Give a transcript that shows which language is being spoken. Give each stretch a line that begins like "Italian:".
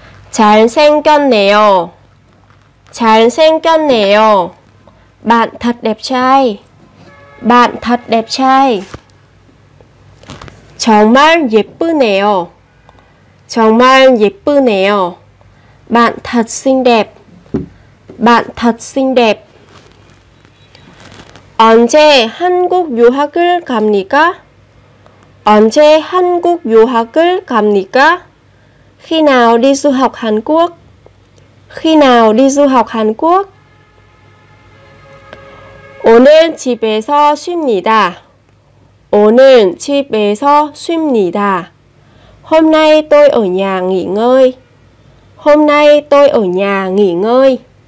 Korean: 잘생겼네요. 잘생겼네요.
Vietnamese: bạn thật đẹp trai. bạn thật đẹp trai.
Korean: 정말 예쁘네요. 정말 예쁘네요.
Vietnamese: bạn thật xinh đẹp. Bạn thật xinh đẹp.
Korean: 언제 한국 유학을 갑니까? 언제 한국 유학을 갑니까?
Vietnamese: Khi nào đi du học Hàn Quốc? Khi nào đi du học Hàn Quốc?
Korean: 오늘 집에서 쉽니다. 오늘 집에서 쉽니다.
Vietnamese: Hôm nay tôi ở nhà nghỉ ngơi. Hôm nay tôi ở nhà nghỉ ngơi.